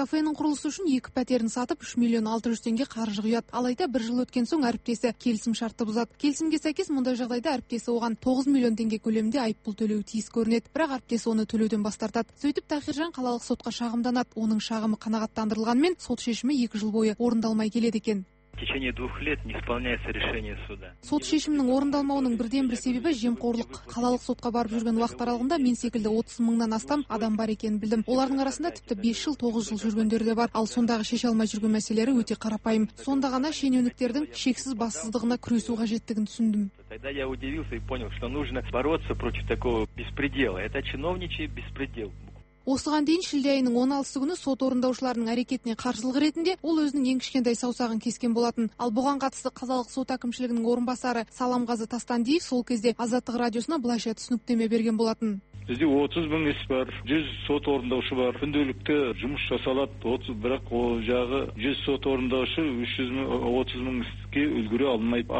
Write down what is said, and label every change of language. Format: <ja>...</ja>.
<kk>Кафенің құрылысы үшін 2 пәтерін сатып 3 миллион 600 теңге қаржы құяды. Алайда бір жыл өткен соң әріптесі келісім шартты бұзады. Келісімге сәйкес мұндай жағдайда әріптесі оған 9 миллион теңге көлемінде айыппұл төлеуі тиіс көрінеді, бірақ әріптесі оны төлеуден бас тартады. Сөйтіп Тахиржан қалалық сотқа шағымданады. Оның шағымы қанағаттандырылғанмен сот шешімі 2 жыл бойы орындалмай келеді екен.</kk> <ru>В течение 2 лет не исполняется решение суда.</ru> <kk>Сот шешімінің орындалмауының бірден-бір себебі жемқорлық. Қалалық сотқа барып жүрген уақыт аралығында мен секілді 30 мыңнан астам адам бар екенін білдім. Олардың арасында тіпті 5 жыл, 9 жыл жүргендер де бар. Ал сондағы шеше алмай жүрген мәселелері өте қарапайым. Сонда ғана шенеуніктердің шексіз бассыздығына күресу қажеттігін түсіндім.</kk> <ru>Тогда я удивился и понял, что нужно бороться против такого беспредела. Это чиновничий беспредел.</ru> <kk>Осыған дейін шілде айының 16-сы күні сот орындаушыларының әрекетіне қарсылық ретінде ол өзінің ең кішкентай саусағын кескен болатын. Ал бұған қатысты қалалық сот әкімшілігінің орынбасары Саламғазы Тастандиев сол кезде Азаттық радиосына былайша түсініктеме берген болатын. Бізде 30 мың іс бар, 100 сот орындаушы бар. Күнделікті жұмыс жасалады, 30, бірақ ол жағы 100 сот орындаушы 30 мың іске үлгере алмайды.</kk>